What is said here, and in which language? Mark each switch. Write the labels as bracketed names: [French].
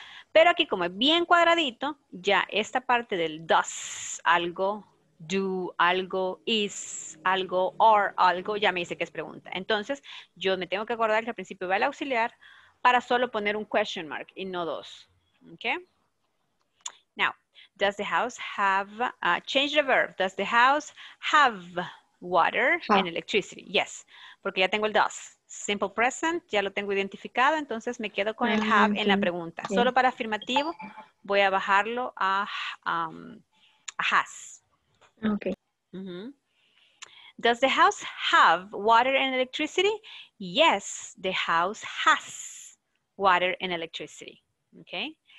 [Spanish] Pero aquí, como es bien cuadradito, ya esta parte del does, algo, do, algo, is, algo, or, algo, ya me dice que es pregunta. Entonces, yo me tengo que acordar que al principio va el auxiliar para solo poner un question mark y no dos. ¿Ok? [English] Now, does the house have, change the verb, does the house have water and electricity? [Spanish] Yes, porque ya tengo el does. Simple present, ya lo tengo identificado, entonces me quedo con el have en la pregunta. Sí. Solo para afirmativo, voy a bajarlo a has. Okay. [English] Does the house have water and electricity? Yes, the house has water and electricity. Okay.